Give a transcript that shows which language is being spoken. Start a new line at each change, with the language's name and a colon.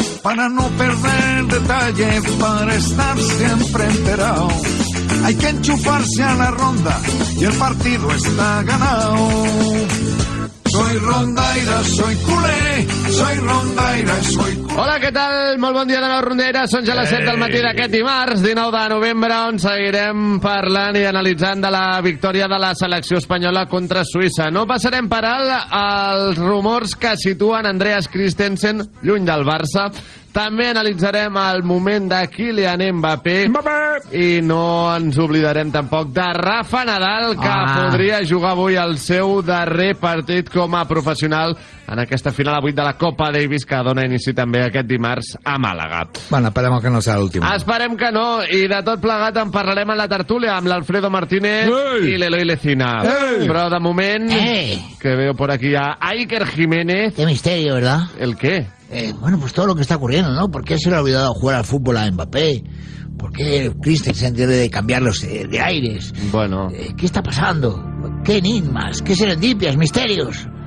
Spanish: Para no perder detalle, para estar siempre enterado. Hay que enchufarse a la ronda, y el partido está ganado. Soy rondaira, soy culé, soy rondaira, soy culé.
Catalan: Hola, què tal? Molt bon dia de la Rondaira. Són ja les 7 del matí d'aquest dimarts, 19 de novembre, on seguirem parlant i analitzant de la victòria de la selecció espanyola contra Suïssa. No passarem per alt els rumors que situen Andreas Christensen lluny del Barça. També analitzarem el moment de Kylian Mbappé. I no ens oblidarem tampoc de Rafa Nadal, que podria jugar avui el seu darrer partit com a professional en aquesta final a 8 de la Copa Davis, que dona inici també aquest dimarts a Màlaga. Bueno, esperem que no sigui l'última. Esperem que no, i de tot plegat en parlarem a la tertúlia amb l'Alfredo Martínez i l'Eloi Lecina. Ei.
Spanish: Però de moment, que veo por aquí a Iker Jiménez. Qué misterio, ¿verdad? ¿El qué? Bueno, pues todo lo que está ocurriendo, ¿no? ¿Por qué se le ha olvidado jugar al fútbol a Mbappé? ¿Por qué Christensen debe de cambiarlos de aires? Bueno. ¿Qué está pasando? ¿Qué enigmas? ¿Qué serendipias? ¿Misterios?